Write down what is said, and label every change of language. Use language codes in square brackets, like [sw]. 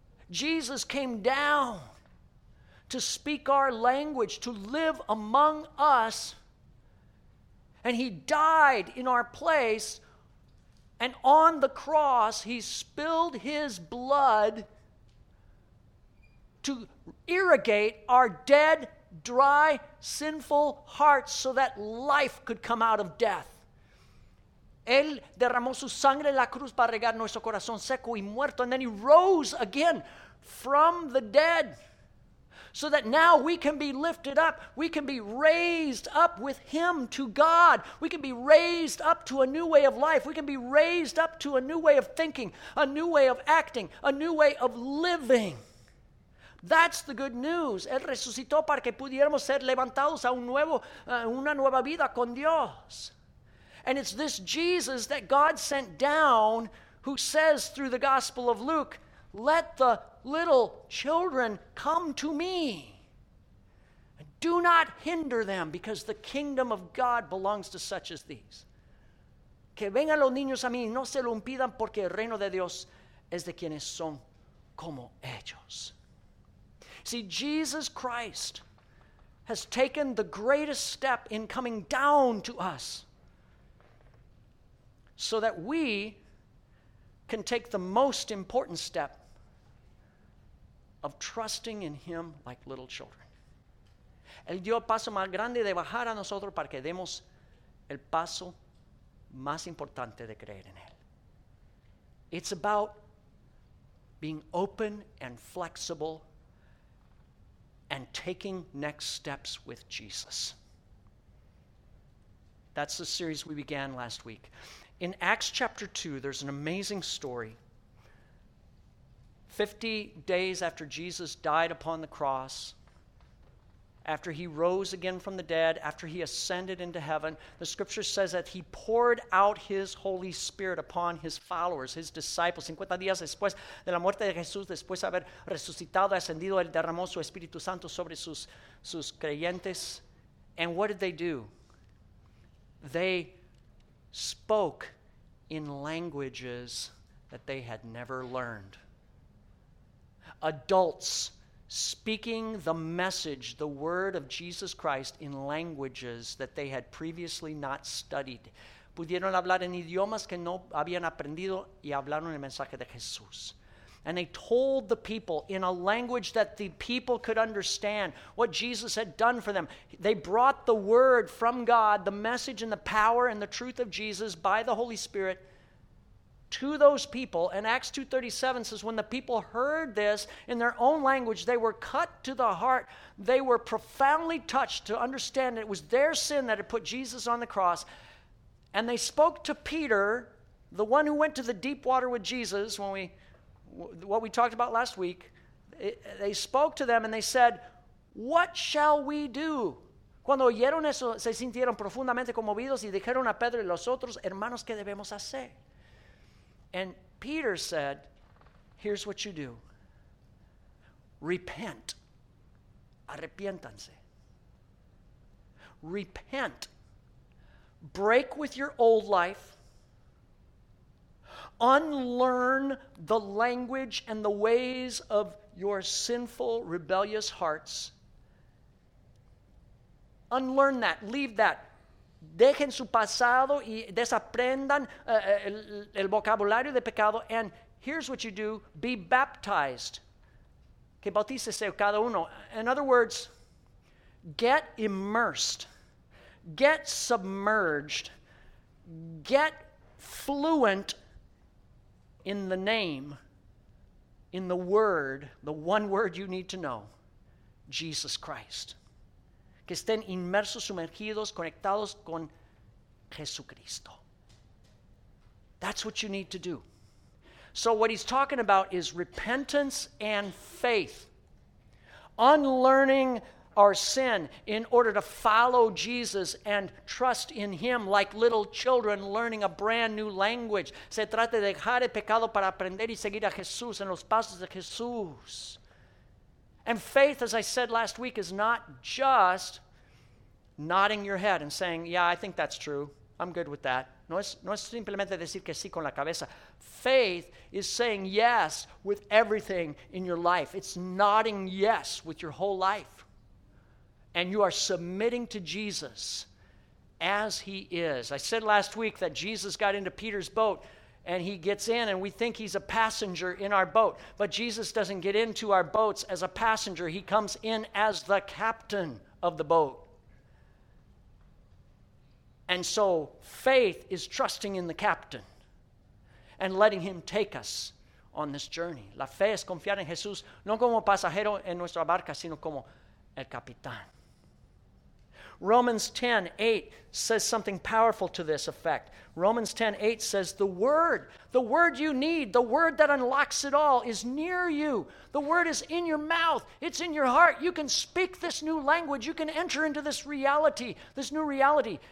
[en] Jesus came down to speak our language, to live among us, and he died in our place. And on the cross, he spilled his blood to irrigate our dead, dry, sinful hearts so that life could come out of death. [es] Él derramó su sangre en la cruz para regar nuestro corazón seco y muerto. [en] And then he rose again from the dead so that now we can be lifted up. We can be raised up with him to God. We can be raised up to a new way of life. We can be raised up to a new way of thinking, a new way of acting, a new way of living. That's the good news. [es] Él resucitó para que pudiéramos ser levantados a una nueva vida con Dios. [en] And it's this Jesus that God sent down who says through the Gospel of Luke, let the little children come to me. Do not hinder them, because the kingdom of God belongs to such as these. [es] Que vengan los niños a mí y no se lo impidan, porque el reino de Dios es de quienes son como ellos. [en] See, Jesus Christ has taken the greatest step in coming down to us so that we can take the most important step of trusting in him like little children. [es] Él dio el paso más grande de bajar a nosotros para que demos el paso más importante de creer en él. [en] It's about being open and flexible and taking next steps with Jesus. That's the series we began last week. In Acts chapter 2, there's an amazing story. 50 days after Jesus died upon the cross, after he rose again from the dead, after he ascended into heaven, the scripture says that he poured out his Holy Spirit upon his followers, his disciples. [es] 50 días después de la muerte de Jesús, después de haber resucitado, ascendido, él derramó su Espíritu Santo sobre sus creyentes. [en] And what did they do? They spoke in languages that they had never learned. Adults speaking the message, the word of Jesus Christ in languages that they had previously not studied. [es] Pudieron hablar en idiomas que no habían aprendido y hablaron el mensaje de Jesús. [en] And they told the people in a language that the people could understand what Jesus had done for them. They brought the word from God, the message and the power and the truth of Jesus by the Holy Spirit to those people. And Acts 2:37 says, when the people heard this in their own language, they were cut to the heart. They were profoundly touched to understand that it was their sin that had put Jesus on the cross. And they spoke to Peter, the one who went to the deep water with Jesus, what we talked about last week. They spoke to them and they said, what shall we do? [es] Cuando oyeron eso, se sintieron profundamente conmovidos y dijeron a Pedro y los otros, hermanos, ¿qué debemos hacer? [en] And Peter said, here's what you do. Repent. [es] Arrepiéntanse. [en] Repent. Break with your old life. Unlearn the language and the ways of your sinful, rebellious hearts. Unlearn that. Leave that. [es] Dejen su pasado y desaprendan el vocabulario de pecado. [en] And here's what you do. Be baptized. [es] Que bautícese cada uno. [en] In other words, get immersed. Get submerged. Get fluent in the name, in the word, the one word you need to know, Jesus Christ. [es] Que estén inmersos, sumergidos, conectados con Jesucristo. [en] That's what you need to do. So what he's talking about is repentance and faith. Unlearning our sin in order to follow Jesus and trust in him like little children learning a brand new language. [es] Se trata de dejar el pecado para aprender y seguir a Jesús en los pasos de Jesús. [en] And faith, as I said last week, is not just nodding your head and saying, yeah, I think that's true. I'm good with that. [es] No es simplemente decir que sí con la cabeza. [en] Faith is saying yes with everything in your life. It's nodding yes with your whole life. And you are submitting to Jesus as he is. I said last week that Jesus got into Peter's boat and he gets in and we think he's a passenger in our boat. But Jesus doesn't get into our boats as a passenger. He comes in as the captain of the boat. And so faith is trusting in the captain and letting him take us on this journey. [es] La fe es confiar en Jesús, no como pasajero en nuestra barca, sino como el capitán. [en] Romans 10:8 says something powerful to this effect. Romans 10:8 says, the word you need, the word that unlocks it all is near you. The word is in your mouth. It's in your heart. You can speak this new language. You can enter into this reality, this new reality.